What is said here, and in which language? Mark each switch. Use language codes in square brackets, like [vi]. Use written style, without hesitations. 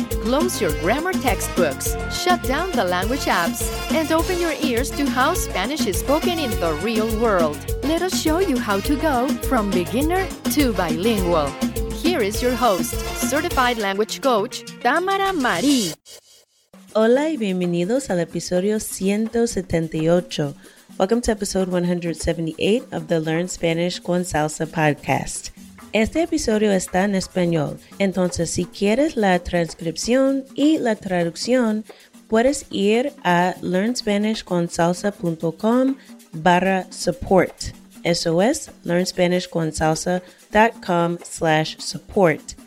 [en] Close your grammar textbooks, shut down the language apps, and open your ears to how Spanish is spoken in the real world. Let us show you how to go from beginner to bilingual. Here is your host, certified language coach, Tamara Marie. [es] Hola y bienvenidos al episodio 178. [en] Welcome to episode 178 of the Learn Spanish con Salsa podcast. [es] Este episodio está en español, entonces si quieres la transcripción y la traducción, puedes ir a learnspanishconsalsa.com/support. Eso es learnspanishconsalsa.com/support.